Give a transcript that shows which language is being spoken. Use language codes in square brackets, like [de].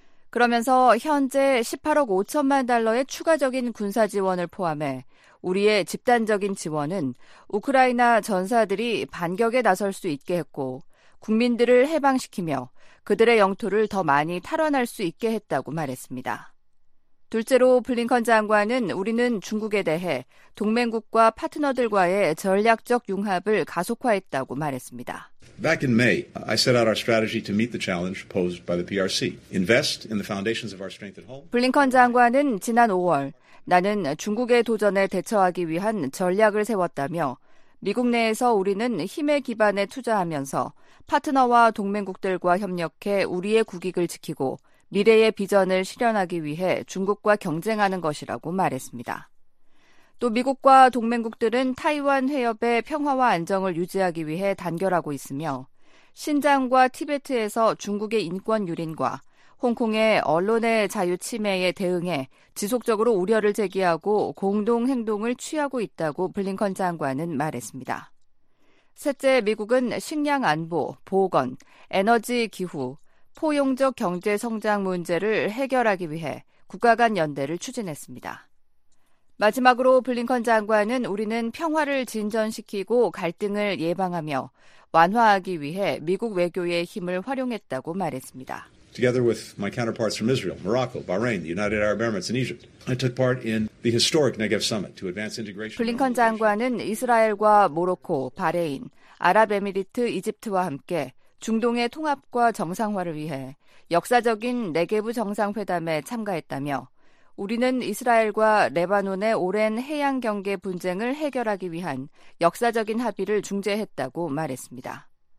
[ko] 그러면서 현재 18억 5천만 달러의 추가적인 군사 지원을 포함해 우리의 집단적인 지원은 우크라이나 전사들이 반격에 나설 수 있게 했고 국민들을 해방시키며 그들의 영토를 더 많이 탈환할 수 있게 했다고 말했습니다. 둘째로 블링컨 장관은 우리는 중국에 대해 동맹국과 파트너들과의 전략적 융합을 가속화했다고 말했습니다. [en] Back in May, I set out our strategy to meet the challenge posed by the PRC. Invest in the foundations of our strength at home. [ko] 블링컨 장관은 지난 5월 나는 중국의 도전에 대처하기 위한 전략을 세웠다며 미국 내에서 우리는 힘의 기반에 투자하면서 파트너와 동맹국들과 협력해 우리의 국익을 지키고 미래의 비전을 실현하기 위해 중국과 경쟁하는 것이라고 말했습니다. 또 미국과 동맹국들은 타이완 해협의 평화와 안정을 유지하기 위해 단결하고 있으며 신장과 티베트에서 중국의 인권 유린과 홍콩의 언론의 자유 침해에 대응해 지속적으로 우려를 제기하고 공동 행동을 취하고 있다고 블링컨 장관은 말했습니다. 셋째, 미국은 식량 안보, 보건, 에너지 기후, 포용적 경제 성장 문제를 해결하기 위해 국가 간 연대를 추진했습니다. 마지막으로 블링컨 장관은 우리는 평화를 진전시키고 갈등을 예방하며 완화하기 위해 미국 외교의 힘을 활용했다고 말했습니다. [en] Together with my counterparts from Israel, Morocco, Bahrain, the United Arab Emirates, and Egypt, I took part in the historic Negev Summit to advance integration. [ko] 블링컨 장관은 이스라엘과 모로코, 바레인, 아랍에미리트, 이집트와 함께 중동의 통합과 정상화를 위해 역사적인 네게브 정상회담에 참가했다며 우리는 이스라엘과 레바논의 오랜 해양 경계 분쟁을 해결하기 위한 역사적인 합의를 중재했다고 말했습니다.